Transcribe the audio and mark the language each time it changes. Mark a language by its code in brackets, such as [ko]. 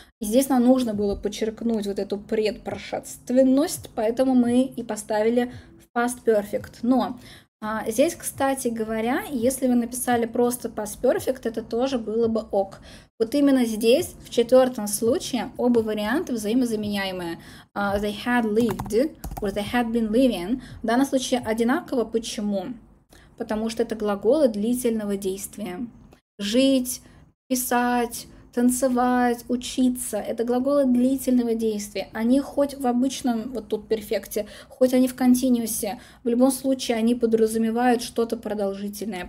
[ru] И здесь нам нужно было подчеркнуть вот эту предпрошественность, поэтому мы и поставили в past perfect. Но здесь, кстати говоря, если вы написали просто past perfect, это тоже было бы ок. Вот именно здесь, в четвертом случае, оба варианта взаимозаменяемые. [en] They had lived, or they had been living. [ru] В данном случае одинаково. Почему? Потому что это глаголы длительного действия. Жить, писать, танцевать, учиться – это глаголы длительного действия. Они хоть в обычном, вот тут, перфекте, хоть они в континьюсе, в любом случае они подразумевают что-то продолжительное.